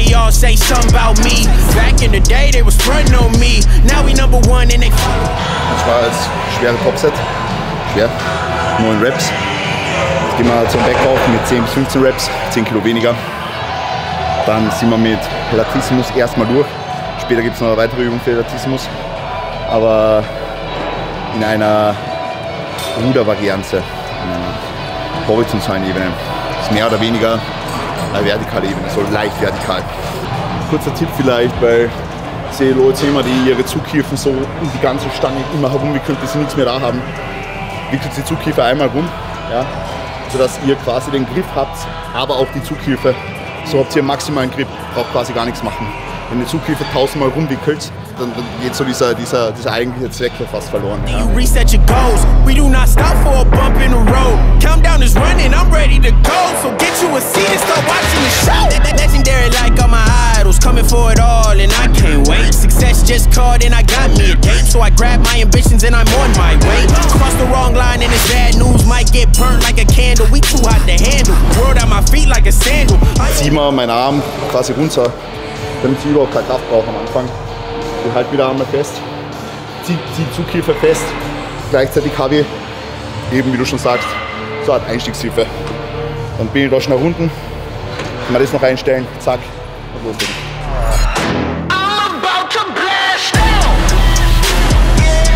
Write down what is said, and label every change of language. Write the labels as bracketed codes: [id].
[en] Say something about me. Back in the day they was running on me. Now we number one in it. [de] Das war jetzt schwere Topset. Schwer. 9 Reps. Jetzt gehen wir zum Backoff mit 10 bis 15 Reps, 10 Kilo weniger. Dann sind wir mit Latissimus erstmal durch. Später gibt es noch eine weitere Übung für Latissimus. Aber in einer Rudervariante, in einer horizontalen Ebene. Das ist mehr oder weniger eine vertikale Ebene, so leicht vertikal. Kurzer Tipp vielleicht, weil ich sehe Leute immer, die ihre Zughilfen so um die ganze Stange immer herumwickeln, bis sie nichts mehr da haben. Wickelt die Zughilfe einmal rum, ja, sodass ihr quasi den Griff habt, aber auch die Zughilfe. So habt ihr maximalen Grip, braucht quasi gar nichts machen. Wenn ihr die Zughilfe tausendmal rumwickelt, dann geht so dieser eigentliche Zweck hier fast verloren. [en] You reset your goals. We do not stop for a bump in the road. Countdown is running, I'm ready to go. So get you a seat and start watching the show. Legendary like all my idols. Coming for it all and I can't wait. Success just called and I got me a date. So I grab my ambitions and I'm on my way. Cross the wrong line and it's bad news. Might get burnt like a candle. We too hot to handle. World at my feet like a sandal. [de] Zieh mal meinen Arm quasi runter, damit ich überhaupt keine Kraft brauche am Anfang. Ich halte wieder einmal fest, zieh Zughilfe fest. Gleichzeitig habe ich eben, wie du schon sagst, so eine Art Einstiegshilfe. Dann bin ich da schon nach unten, kann man das noch einstellen, zack, und los bin ich. [en] I'm about to blast out. Yeah.